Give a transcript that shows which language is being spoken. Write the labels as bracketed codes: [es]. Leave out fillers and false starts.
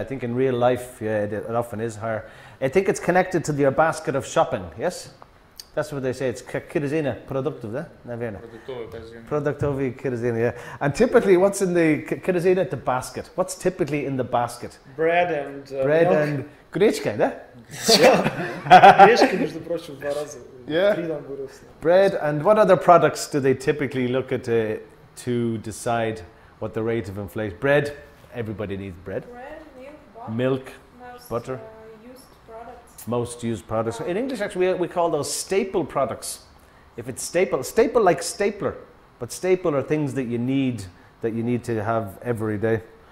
[en] I think in real life, yeah, it often is higher. I think it's connected to your basket of shopping, yes? That's what they say. [ru] It's корзина продуктов, да? Наверное. Продуктовая корзина, [en] yeah. And typically, what's in the корзина? The basket. What's typically in the basket? Bread and Bread milk. [ru] And гречка, да? Гречка, между прочим, два раза. [en] Yeah. Bread and what other products do they typically look at to decide what the rate of inflation? Bread. Everybody needs bread. Bread, milk, butter. Most used products. In English, actually, we call those staple products. If it's staple like stapler, but staple are things that you need to have every day.